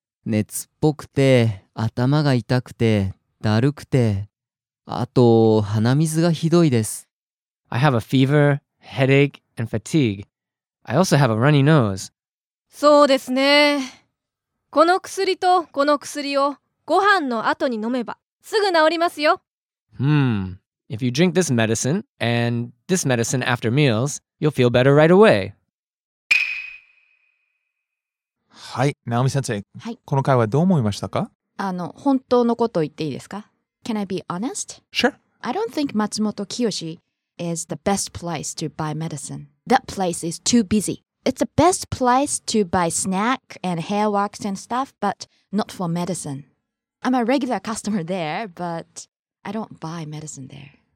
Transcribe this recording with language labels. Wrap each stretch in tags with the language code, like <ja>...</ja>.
<ja>熱っぽくて、頭が痛くて、だるくて、あと鼻水がひどいです。</ja> <en>I have a fever, headache, and fatigue. I also have a runny nose.</en> <ja>そうですね。この薬とこの薬をご飯の後に飲めばすぐ治りますよ。</ja> <en>If you drink this medicine and this medicine after meals, you'll feel better right away.</en> <ja>はい、ナオミ先生。はい。この会話どう思いましたか? 本当のことを言っていいですか?</ja> <en>Can I be honest? Sure. I don't think 松本清is the best place to buy medicine. That place is too busy. It's the best place to buy snack and hair wax and stuff, but not for medicine. I'm a regular customer there, but I don't buy medicine there.</en>